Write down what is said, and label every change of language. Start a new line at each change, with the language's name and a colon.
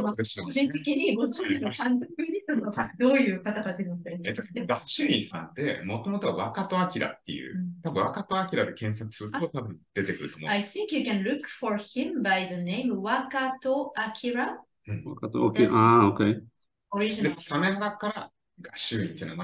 Japanese: まあ、個人的にご存知の監督にそのどういう方かというのって、ガシュインさんってもともとは若戸明っていう、多分若戸明で検索すると多分出てくると思う。
English: I think you can look for him by the name 若戸明。
Japanese: 若戸明、ああ、OK。
English: Original.
Japanese: で、サメ肌からガシュインっていうのは